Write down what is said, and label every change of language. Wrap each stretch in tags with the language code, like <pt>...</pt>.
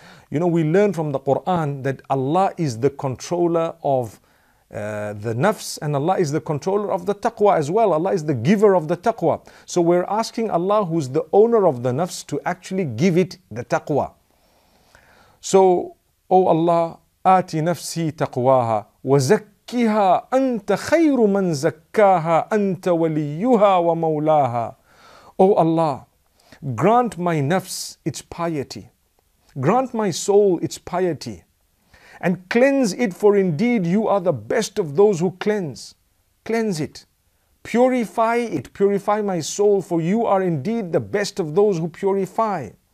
<en>You know, we learn from the Quran that Allah is the controller of the nafs, and Allah is the controller of the taqwa as well. Allah is the giver of the taqwa. So we're asking Allah, who's the owner of the nafs, to actually give it the taqwa. So, oh Allah,</en> <ar>آتي نفسي تقواها وزكها أنت خير من زكاها أنت وليها ومولاها.</ar> <en>O Allah, grant my nafs its piety, grant my soul its piety, and cleanse it, for indeed you are the best of those who cleanse. Cleanse it, purify it, purify my soul, for you are indeed the best of those who purify.</en>